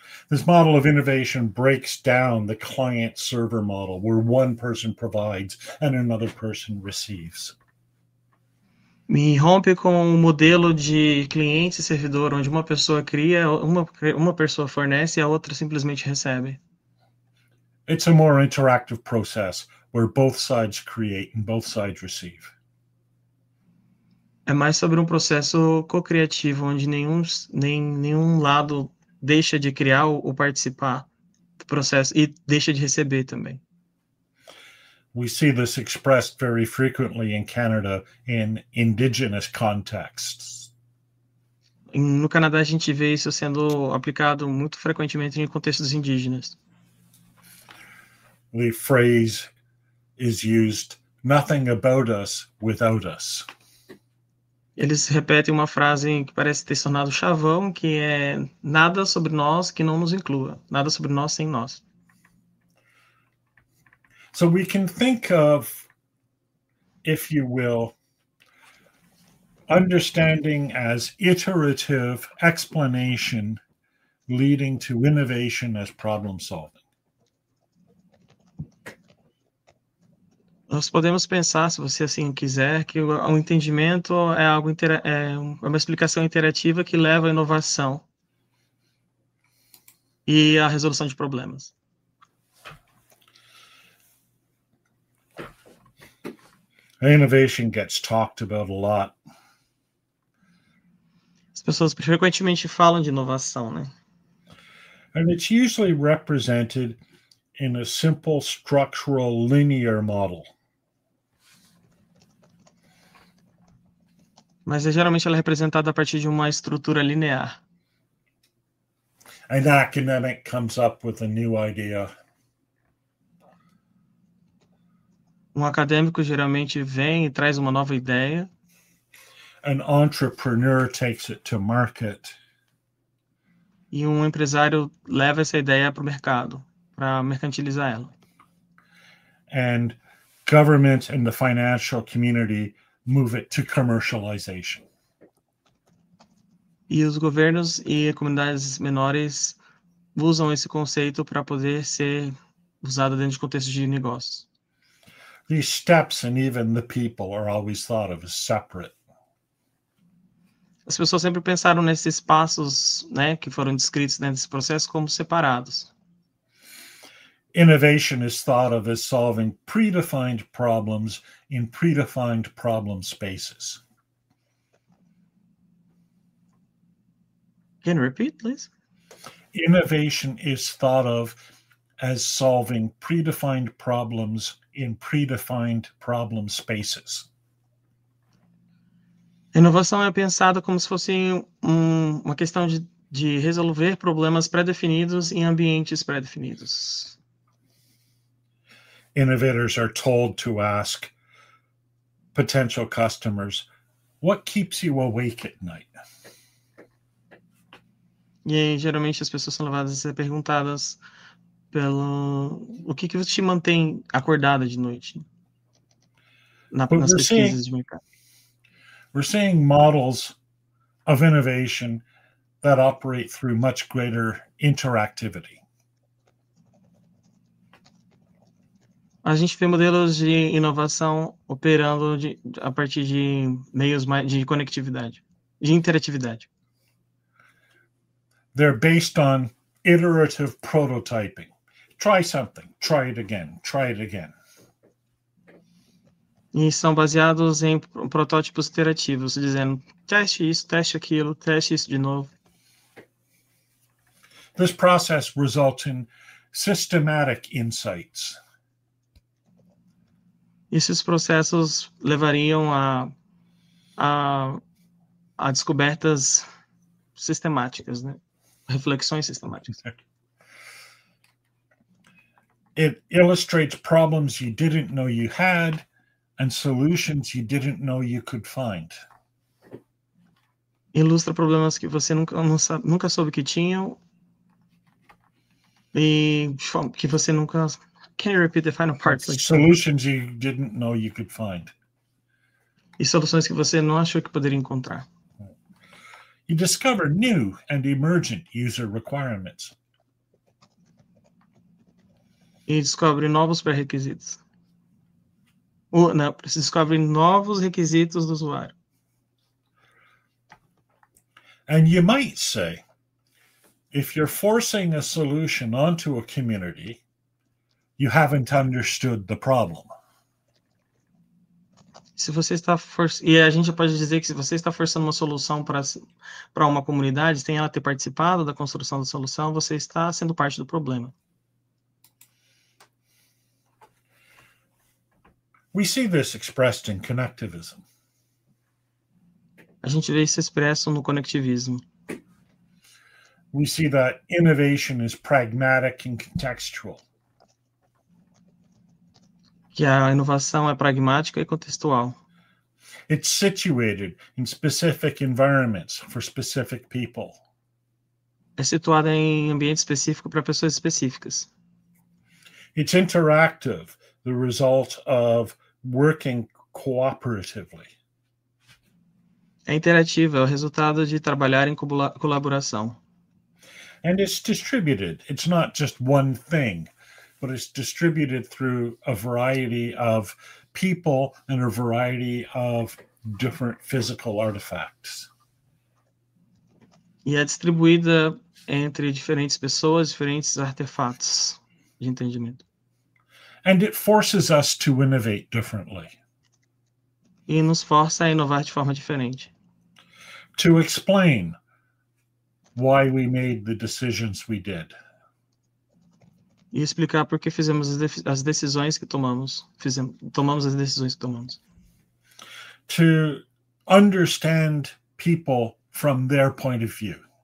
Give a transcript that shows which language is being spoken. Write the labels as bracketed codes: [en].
[en] This model of innovation breaks down the client-server model, where one person provides and another person receives. [pt] Me rompe com o modelo de cliente e servidor, onde uma pessoa cria, uma pessoa fornece e a outra simplesmente recebe. [en] It's a more interactive process where both sides create and both sides receive. [pt] É mais sobre um processo co-criativo, onde nenhum lado deixa de criar ou participar do processo e deixa de receber também. [en] We see this expressed very frequently in Canada in indigenous contexts. [pt] No Canadá, a gente vê isso sendo aplicado muito frequentemente em contextos indígenas. [en] The phrase is used, nothing about us without us. [pt] Eles repetem uma frase que parece ter tornado chavão, que é nada sobre nós que não nos inclua, nada sobre nós sem nós. [en] So we can think of, if you will, understanding as iterative explanation leading to innovation as problem solving. [pt] Nós podemos pensar, se você assim quiser, que o entendimento é algo é uma explicação interativa que leva à inovação e à resolução de problemas. [en] Innovation gets talked about a lot. [pt] As pessoas frequentemente falam de inovação, né? [en] And it's usually represented in a simple structural linear model. [pt] Mas geralmente ela é representada a partir de uma estrutura linear. [en] An academic comes up with a new idea. [pt] Um acadêmico geralmente vem e traz uma nova ideia. [en] An entrepreneur takes it to market. [pt] E um empresário leva essa ideia para o mercado, para mercantilizar ela. [en] And governments and the financial community move it to commercialization. [pt] E os governos e comunidades menores usam esse conceito para poder ser usado dentro de contextos de negócios. [en] These steps and even the people are always thought of as separate. [pt] As pessoas sempre pensaram nesses passos, né, que foram descritos dentro desse processo como separados. [en] Innovation is thought of as solving predefined problems in predefined problem spaces. Can you repeat, please? Innovation is thought of as solving predefined problems in predefined problem spaces. [pt] Inovação é pensada como se fosse uma questão de resolver problemas pré-definidos em ambientes pré-definidos. [en] Innovators are told to ask, potential customers. What keeps you awake at night? [pt] E aí, geralmente as pessoas são levadas a ser perguntadas pelo o que você te mantém acordada de noite nas pesquisas de mercado. [en] We're seeing models of innovation that operate through much greater interactivity. [pt] A gente vê modelos de inovação operando a partir de meios de conectividade, de interatividade. [en] They're based on iterative prototyping. Try something, try it again, try it again. [pt] E são baseados em protótipos iterativos, dizendo teste isso, teste aquilo, teste isso de novo. [en] This process results in systematic insights. [pt] Esses processos levariam a descobertas sistemáticas, né? Reflexões sistemáticas. [en] It illustrates problems you didn't know you had and solutions you didn't know you could find. [pt] Ilustra problemas que você nunca soube que tinham e que você nunca... [en] Can you repeat the final part? Like, solutions you didn't know you could find. [pt] E soluções que você não achou que poderia encontrar. [en] You discover new and emergent user requirements. [pt] E descobre novos pré-requisitos. Não, descobre novos requisitos do usuário. [en] And you might say, if you're forcing a solution onto a community, you haven't understood the problem. [pt] Se você está forçando, e a gente pode dizer que se você está forçando uma solução para uma comunidade, sem ela ter participado da construção da solução, você está sendo parte do problema. [en] We see this expressed in connectivism. [pt] A gente vê isso expresso no conectivismo. [en] We see that innovation is pragmatic and contextual. [pt] Que a inovação é pragmática e contextual. [en] It's situated in specific environments for specific people. [pt] É situada em ambiente específico para pessoas específicas. [en] It's interactive, the result of working cooperatively. [pt] É interativa, é o resultado de trabalhar em colaboração. [en] And it's distributed. It's not just one thing, but it's distributed through a variety of people and a variety of different physical artifacts. [pt] E é distribuída entre diferentes pessoas, diferentes artefatos de entendimento. [en] And it forces us to innovate differently. [pt] E nos força a inovar de forma diferente. [en] To explain why we made the decisions we did. [pt] E explicar por que fizemos as decisões que tomamos. Tomamos as decisões que tomamos. [en] To understand people from their point of view.